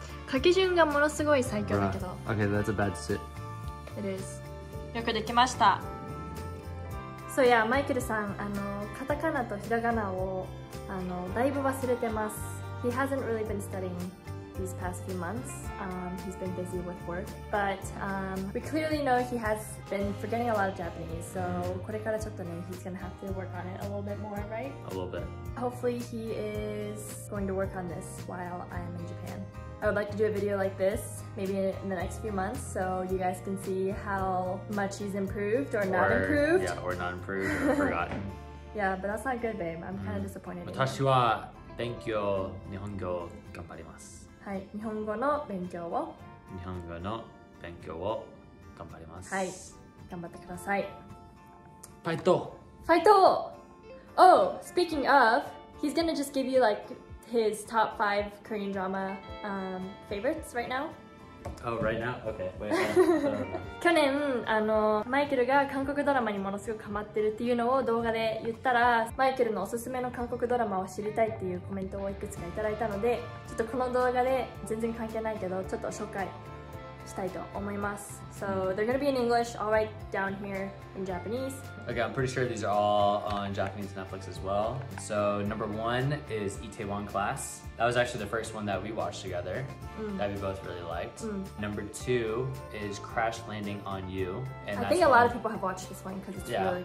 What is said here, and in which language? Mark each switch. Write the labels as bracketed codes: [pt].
[ja] 書き順がものすごい最強だけど。 [en] Right. Okay, that's a bad suit. It is. [ja] よくできました。そういや、マイケルさん、カタカナとひらがなをだいぶ忘れてます。 [en] He hasn't really been studying these past few months. He's been busy with work. But we clearly know he has been forgetting a lot of Japanese. So [ja] これからちょっとね、 [en] he's gonna have to work on it a little bit more, right? A little bit. Hopefully he is going to work on this while I'm in Japan. I would like to do a video like this. Maybe in the next few months, so you guys can see how much he's improved or not improved. Yeah, or not improved or forgotten. Yeah, but that's not good, babe. I'm kind of disappointed. [ja] 私は勉強日本語頑張ります。はい、日本語の勉強を。日本語の勉強を頑張ります。はい、頑張ってください。ファイト。ファイト。 [en] Oh, speaking of, he's gonna just give you like his top five Korean drama favorites right now. Oh, right now? Okay. Wait, [ja] 去年マイケルが韓国ドラマにものすごくハマってるっていうのを動画で言ったら、マイケルのおすすめの韓国ドラマを知りたいっていうコメントをいくつかいただいたので、ちょっとこの動画で全然関係ないけどちょっと紹介したいと思います。 [en] So they're gonna be in English. I'll write down here in Japanese. Okay, I'm pretty sure these are all on Japanese Netflix as well. So number one is Itaewon Class. That was actually the first one that we watched together、 mm. that we both really liked.、 Mm. Number two is Crash Landing on You. And I think a lot of people have watched this one because it's really good.